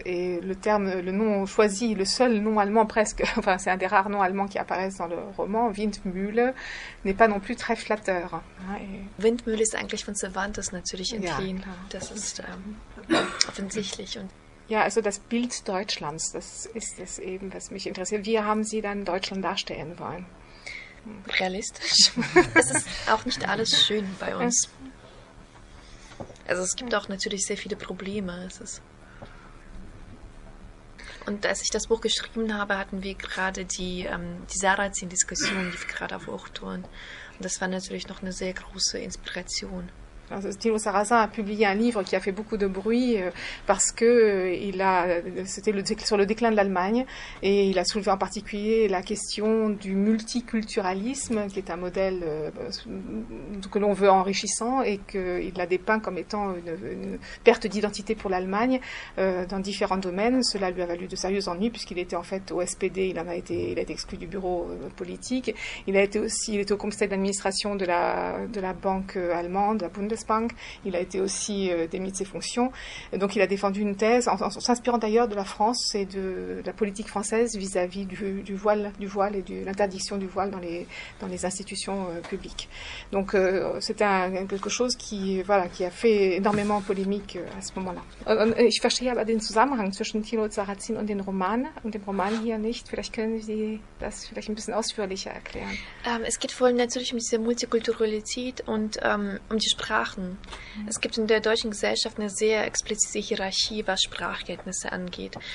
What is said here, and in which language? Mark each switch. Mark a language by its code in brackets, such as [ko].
[fr] Et le terme, le nom choisi, le seul nom allemand presque, enfin c'est un des rares noms allemands qui apparaissent dans le roman, Windmühl, n'est pas non plus très flatteur. [de] Windmühl ist eigentlich von Cervantes natürlich entliehen. Das ist offensichtlich. Ja, also das Bild Deutschlands, das ist es eben, was mich interessiert. Wie haben Sie dann Deutschland darstellen wollen? Realistisch. Es ist auch nicht alles schön bei uns. Also es gibt auch natürlich sehr viele Probleme. Es ist und als ich das Buch geschrieben habe, hatten wir gerade die Sarrazin-Diskussion, die gerade auf Hochtouren. Und das war natürlich noch eine sehr große Inspiration. [fr] Also, Thilo Sarrazin a publié un livre qui a fait beaucoup de bruit parce que c'était sur le déclin de l'Allemagne et il a soulevé en particulier la question du multiculturalisme qui est un modèle que l'on veut enrichissant et qu'il l'a dépeint comme étant une perte d'identité pour l'Allemagne dans différents domaines. Cela lui a valu de sérieux ennuis puisqu'il était en fait au SPD, il a été exclu du bureau politique. Il était au conseil d'administration de la banque allemande, la Bundesbank. Il a été aussi démis de ses fonctions. Donc il a défendu une thèse en s'inspirant d'ailleurs de la France et de la politique française vis-à-vis du voile et de l'interdiction du voile dans les institutions publiques. Donc c'était quelque chose qui a fait énormément polémique à ce moment-là. [de] Ich verstehe aber den Zusammenhang zwischen Thilo Sarrazin und dem Roman hier nicht. Vielleicht können Sie das vielleicht ein bisschen ausführlicher erklären. Es geht vor allem natürlich um diese Multikulturalität und um die Sprache. Es gibt in der deutschen Gesellschaft eine sehr explizite Hierarchie, was Sprachkenntnisse angeht.